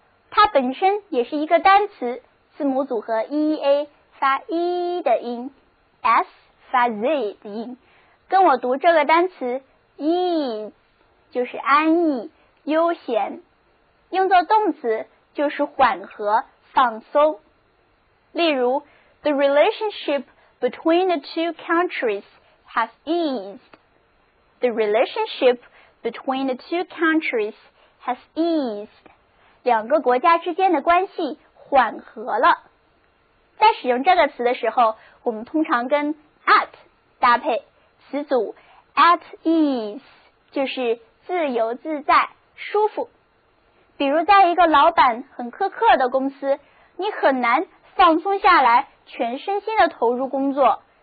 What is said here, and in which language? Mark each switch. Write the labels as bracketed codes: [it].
[zh] 它本身也是一个单词，字母组合 ea 发 e 的音 ，s 发 z 的音。跟我读这个单词 ease。就是安逸、悠闲，用作动词就是缓和、放松。例如 [en] The relationship between the two countries has eased. The relationship between the two countries has eased. [zh] 两个国家之间的关系缓和了。在使用这个词的时候，我们通常跟 at 搭配，词组 at ease 就是自由自在，舒服。比如在一个老板很苛刻的公司，你很难放松下来，全身心的投入工作。